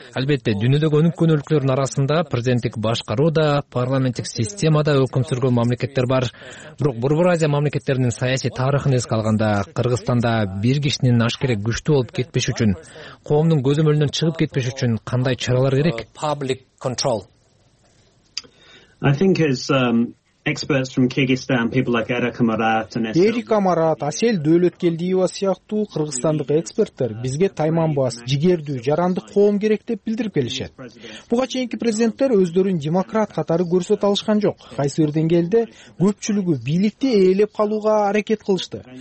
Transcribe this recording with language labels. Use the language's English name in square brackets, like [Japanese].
[Kyrgyz] Албетте, дүйнөдөгү өнүккөн өлкөлөрдүн арасында президенттик башкаруу да, парламенттик система да өкүм сүргөн мамлекеттер бар. Бирок Борбор Азия мамлекеттеринин саясий тарыхын эске алганда, Кыргызстанда бир кишинин ашкере күчтүү болуп кетпеш үчүн, коомдун көзөмөлүнөн чыгып кетпеш үчүн кандай чаралар керек? [English] Public control. I think as experts from Kyrgyzstan, people like Erika Marat and [Kyrgyz] Erika Marat, Асель Дөөлөткелдиева сыяктуу кыргызстандык эксперттер бизге тайманбас, жигердүү, жарандык коом керек деп билдирип келишет. Буга чейинки президенттер өздөрүн демократ катары көрсөтө алышкан жок. Кайсы бир деңгээлде көпчүлүгү бийликти ээлеп калууга аракет кылышты.